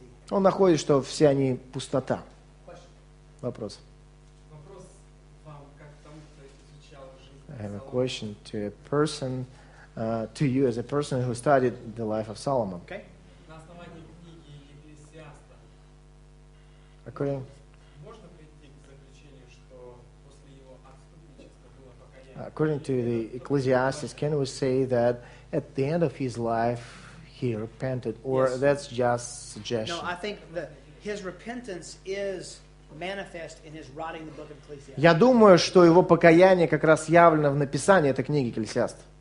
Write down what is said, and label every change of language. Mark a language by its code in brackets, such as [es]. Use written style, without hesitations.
[ru] Он находит, что все они пустота. Вопрос. Вопрос вам, как тому, кто изучал жизнь. [en] I have a question to a person, to you as a person who studied the life of Solomon. [ru] На основании книги Екклесиаста. Можно прийти к заключению, что после его отступничества было покаяние? [en] According to the Ecclesiastes, can we say that at the end of his life he repented, or yes. That's just suggestion? No, I think that his repentance is manifest in his writing the book of Ecclesiastes. [ru] Я думаю, что его покаяние как раз явлено в написании этой книги Экклесиаст.